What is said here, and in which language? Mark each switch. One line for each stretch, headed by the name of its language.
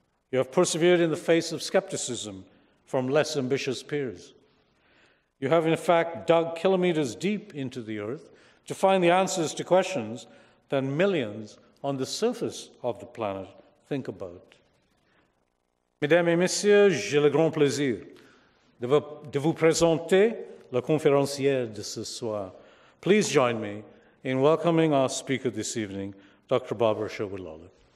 English: You have persevered in the face of skepticism from less ambitious peers. You have, in fact, dug kilometers deep into the Earth to find the answers to questions that millions on the surface of the planet think about.
French: Mesdames et messieurs, j'ai le grand plaisir de vous présenter la conférencière de ce soir.
English: Please join me in welcoming our speaker this evening, Dr. Barbara Sherwood-Lollar.